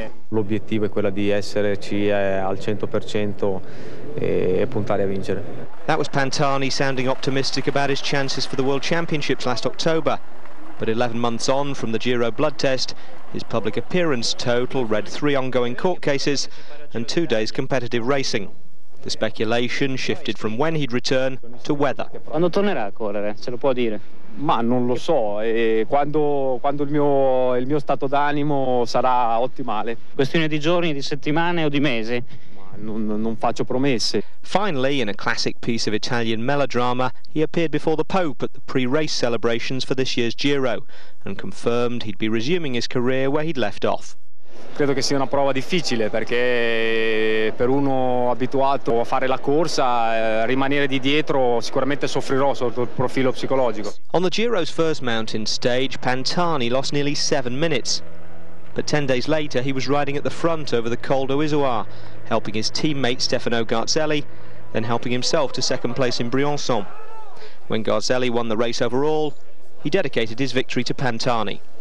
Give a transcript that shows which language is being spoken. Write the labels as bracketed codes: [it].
[it] L'obiettivo è quello di esserci al 100% e puntare a vincere. [en] That was Pantani sounding optimistic about his chances for the World Championships last October. But 11 months on from the Giro blood test, his public appearance total read 3 ongoing court cases and 2 days competitive racing. The speculation shifted from when he'd return to whether. [it] Quando tornerà a correre, se lo può dire? Ma non lo so, e quando il mio stato d'animo sarà ottimale. Questione di giorni, di settimane o di mesi? Non faccio promesse. [en] Finally, in a classic piece of Italian melodrama, he appeared before the Pope at the pre-race celebrations for this year's Giro and confirmed he'd be resuming his career where he'd left off. [it] Credo che sia una prova difficile perché per uno abituato a fare la corsa, rimanere di dietro sicuramente soffrirò sotto il profilo psicologico. [en] On the Giro's first mountain stage, Pantani lost nearly 7 minutes. But 10 days later, he was riding at the front over the Col d'Isoard, helping his teammate Stefano Garzelli, then helping himself to second place in Briançon. When Garzelli won the race overall, he dedicated his victory to Pantani.